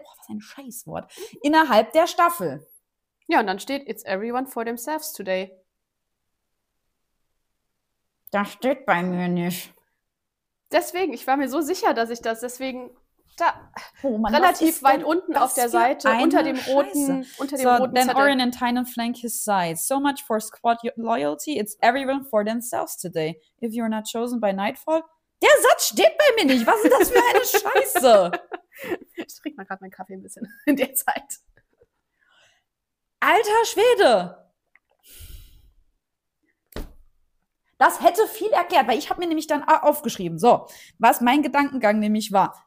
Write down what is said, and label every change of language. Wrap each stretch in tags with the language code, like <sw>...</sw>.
<de>Oh, was ein Scheißwort. Innerhalb der Staffel. Ja, und dann steht,</de> <en>it's everyone for themselves today.</en> <de>Das steht bei mir nicht. Deswegen, ich war mir so sicher, dass ich das deswegen da relativ weit unten auf der Seite, unter dem roten</de> <en>Then Oren and Tynan flank his side. So much for squad loyalty, it's everyone for themselves today. If you're not chosen by nightfall.</en> <de>Der Satz steht bei mir nicht. Was ist das für eine Scheiße? Ich trinke mal gerade meinen Kaffee ein bisschen in der Zeit. Alter Schwede! Das hätte viel erklärt, weil ich habe mir nämlich dann aufgeschrieben, so, was mein Gedankengang nämlich war.</de>